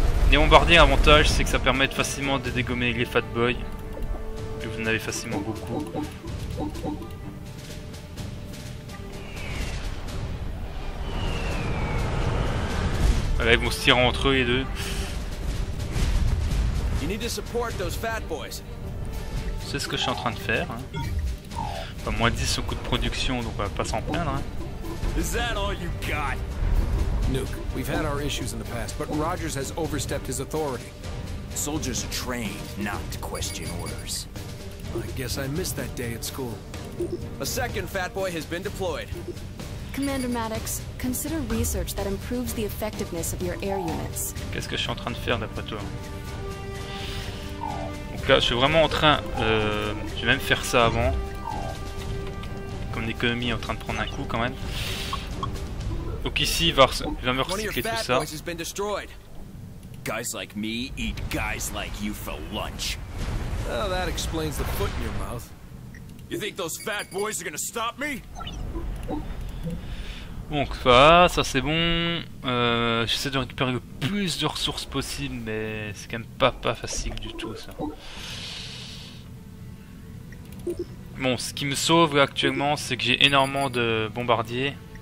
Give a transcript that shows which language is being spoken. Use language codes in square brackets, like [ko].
[fr] Les bombardiers, l'avantage, c'est que ça permet de facilement de dégommer les fat boys. Et vous en avez facilement beaucoup. Voilà, ils vont se tirer entre eux, les deux. [en] You need to support those fat boys. [fr] C'est ce que je suis en train de faire. Hein. Enfin, moins 10 au coût de production, donc on va pas s'en plaindre. Hein. [en] Is that all you got? Nuke, we've had our issues in the past, but Rogers has overstepped his authority. Soldiers are trained not to question orders. I guess I missed that day at school. A second fat boy has been deployed. Commander Maddox, consider research that improves the effectiveness of your air units. [fr] Qu'est-ce que je suis en train de faire d'après toi? Donc là, je suis vraiment en train. Je vais même faire ça avant. Comme l'économie est en train de prendre un coup quand même. Donc ici, il va me recycler tout ça. [en] Guys like me eat guys like you for lunch. Oh, that explains the foot in your mouth. You think those fat boys are gonna stop me? [fr] Donc voilà, ça c'est bon. J'essaie de récupérer le plus de ressources possible, mais c'est quand même pas facile du tout ça. Bon, ce qui me sauve actuellement, c'est que j'ai énormément de bombardiers.